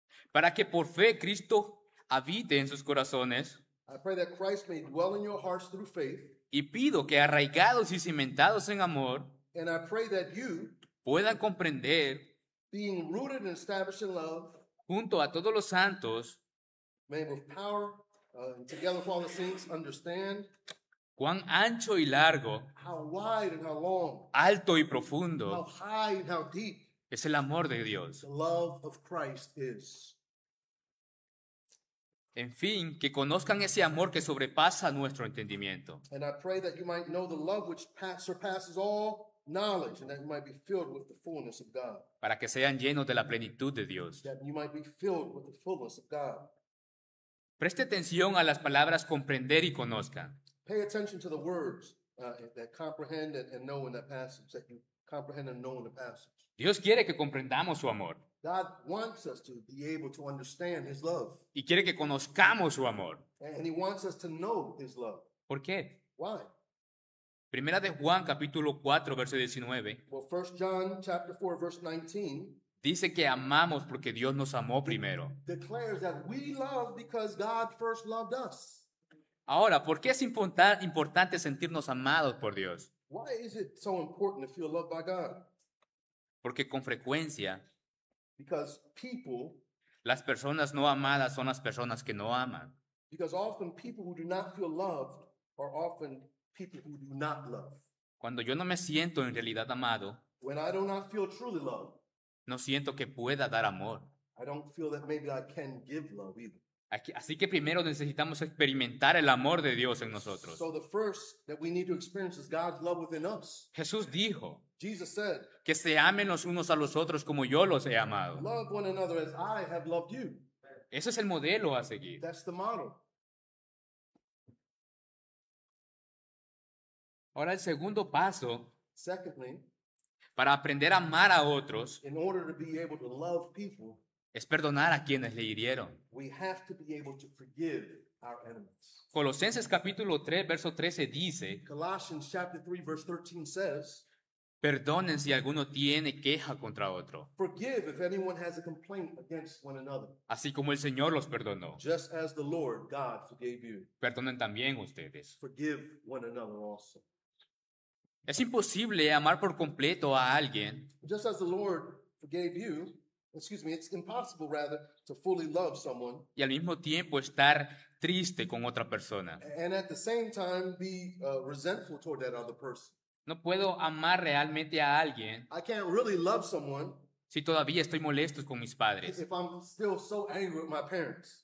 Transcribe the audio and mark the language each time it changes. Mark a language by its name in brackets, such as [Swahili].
[Spanish] Para que por fe Cristo habite en sus corazones. [English] I pray that Christ may dwell in your hearts through faith. [Spanish] Y pido que arraigados y cimentados en amor [English] and I pray that you, [Spanish] puedan comprender [English] being rooted and established in love, [Spanish] junto a todos los santos [English] may with power, together with all the saints understand [Spanish] cuán ancho y largo [English] how wide and how long, [Spanish] alto y profundo [English] how high and how deep, [Spanish] es el amor de Dios. [English] The love of Christ is. [Spanish] En fin, que conozcan ese amor que sobrepasa nuestro entendimiento. [English] And I pray that you might know the love which surpasses all knowledge and that you might be filled with the fullness of God. [Spanish] Para que sean llenos de la plenitud de Dios. [English] That you might be filled with the fullness of God. [Spanish] Preste atención a las palabras comprender y conozcan. [English] Pay attention to the words that comprehend and know in that passage, that you comprehend and know in the passage. [Spanish] Dios quiere que comprendamos su amor. [English] God wants us to be able to understand his love. [Spanish] Y quiere que conozcamos su amor. [English] And he wants us to know his love. [Spanish] ¿Por qué? [English] Why? [Spanish] Primera de Juan, capítulo 4, verso 19. [English] Well, 1 John, chapter 4, verse 19. [Spanish] Dice que amamos porque Dios nos amó primero. [English] Declares that we love because God first loved us. [Spanish] Ahora, ¿por qué es importante sentirnos amados por Dios? [English] Why is it so important to feel loved by God? [Spanish] Porque con frecuencia, [English] because people, [Spanish] las personas no amadas son las personas que no aman. [English] Because often people who do not feel loved are often people who do not love. [Spanish] Cuando yo no me siento en realidad amado, [English] when I do not feel truly loved, [Spanish] no siento que pueda dar amor. [English] I don't feel that maybe I can give love either. [Spanish] Así que primero necesitamos experimentar el amor de Dios en nosotros. [English] So the first that we need to experience is God's love within us. [Spanish] Jesús dijo, [English] Jesus said, [Spanish] que se amen los unos a los otros como yo los he amado. [English] Love one another as I have loved you. [Spanish] Ese es el modelo a seguir. [English] That's the model. [Spanish] Ahora el segundo paso, [English] secondly, [Spanish] para aprender a amar a otros, [English] in order to be able to love people, [Spanish] es perdonar a quienes le hirieron. [English] We have to be able to forgive our enemies. [Spanish] Colosenses capítulo 3, verso 13 dice, [English] Colossians chapter 3, verse 13 says, [Spanish] perdonen si alguno tiene queja contra otro. [English] Forgive if anyone has a complaint against one another. [Spanish] Así como el Señor los perdonó. [English] Just as the Lord God forgave you. [Spanish] Perdonen también ustedes. [English] Forgive one another also. [Spanish] Es imposible amar por completo a alguien. [English] Just as the Lord forgave you, excuse me, it's impossible rather to fully love someone. [Spanish] Y al mismo tiempo estar triste con otra persona. [English] And at the same time be resentful toward that other person. [Spanish] No puedo amar realmente a alguien. [English] I can't really love someone. [Spanish] Si todavía estoy molesto con mis padres. [English] If I'm still so angry with my parents.